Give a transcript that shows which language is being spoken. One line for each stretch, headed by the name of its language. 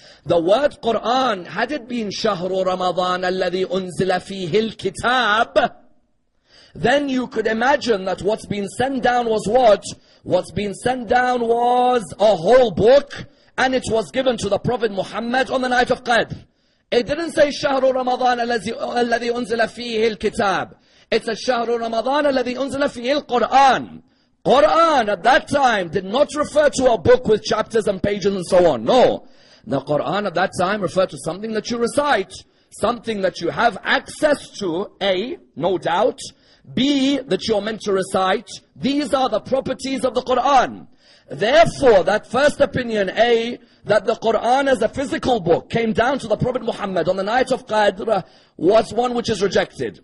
English: The word Quran, had it been
Arabic: شهر رمضان الذي أنزل فيه الكتاب,
English: then you could imagine that what's been sent down was what? What's been sent down was a whole book, and it was given to the Prophet Muhammad on the night of Qadr. It didn't say
Arabic: شهر رمضان الذي أنزل فيه الكتاب.
English: It's a
Arabic: شهر رمضان الذي أنزل فيه القرآن.
English: Quran at that time did not refer to a book with chapters and pages and so on. No. The Quran at that time referred to something that you recite, something that you have access to, A, no doubt, B, that you're meant to recite. These are the properties of the Quran. Therefore, that first opinion, A, that the Quran as a physical book came down to the Prophet Muhammad on the night of Qadr, was one which is rejected.